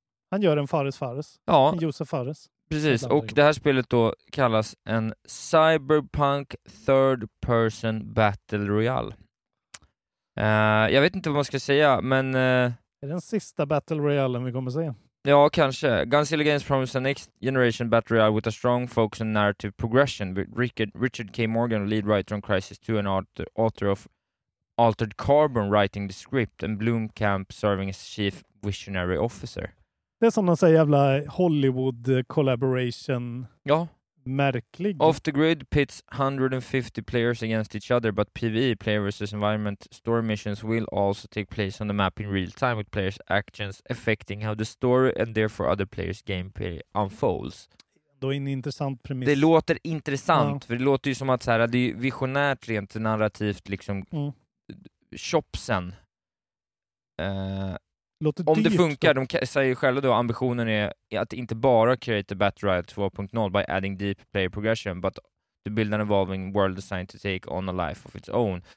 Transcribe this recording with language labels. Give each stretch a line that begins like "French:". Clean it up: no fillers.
Swedish: han gör en Fares Fares. Ja. En Josef Fares. Precis, och det här spelet då kallas en Cyberpunk Third Person Battle Royale. Jag vet inte vad man ska säga, men... är det den sista Battle Royale vi kommer se? Ja, kanske.
English: Godzilla Games promises the next generation Battle Royale with a strong focus on narrative progression. Richard K. Morgan, lead writer on Crisis 2 and author of Altered Carbon, writing the script, and Blomkamp serving as chief visionary officer.
Swedish: Det är som de säger, jävla
English: Hollywood collaboration.
Swedish: Ja. Märklig.
English: Off the Grid pits 150 players against each other, but PvE, player versus environment, story missions will also take place on the map in real time with players' actions affecting how the story and therefore other players' gameplay unfolds.
Swedish: Då är en intressant premiss. Det låter intressant, ja. För det låter ju som att så här, det är visionärt rent narrativt liksom shopsen. Låter om dyrt, det funkar, då. De säger själva då, ambitionen är att inte bara
English: create a Battle Royale 2.0 by adding deep player progression, but to build an evolving world design to take on a life of its own.